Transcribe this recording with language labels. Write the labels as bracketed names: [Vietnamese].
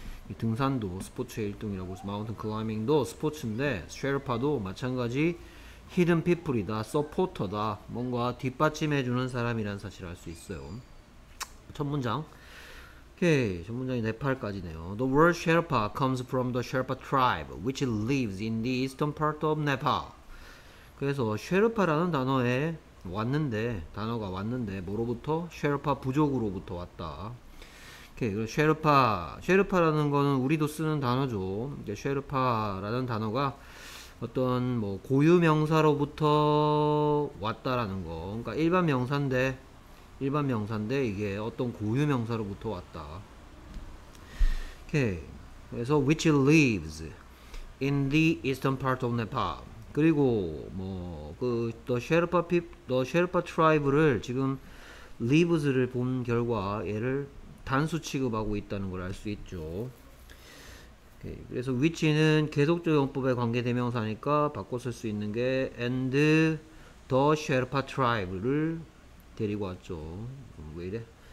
[Korean] 이 등산도 스포츠의 일종이라고 볼수 마운틴 클라이밍도 스포츠인데 셰르파도 마찬가지 히든 피플이다. 서포터다. 뭔가 뒷받침해 주는 사람이란 사실을 알수 있어요. 첫 문장. 오케이. 첫 문장이 네팔까지네요. [English] The word Sherpa comes from the Sherpa tribe which lives in the eastern part of Nepal. [Korean] 그래서 셰르파라는 단어에 왔는데 단어가 왔는데 뭐로부터? 셰르파 부족으로부터 왔다. 오케이. 그리고 셰르파라는 거는 우리도 쓰는 단어죠. 이제 셰르파라는 단어가 어떤 뭐 고유 명사로부터 왔다라는 거. 그러니까 일반 명사인데 이게 어떤 고유 명사로부터 왔다. 오케이. 그래서 [English] which lives in the eastern part of Nepal. [Korean] 그리고 뭐그더 셰르파 핍더 셰르파 트라이브를 지금 리브즈를 본 결과 얘를 단수 취급하고 있다는 걸알수 있죠. 오케이, 그래서 위치는 계속적 용법에 관계 대명사니까 바꿔 쓸수 있는 게 and 더 셰르파 트라이브를 데리고 왔죠. 왜 이래?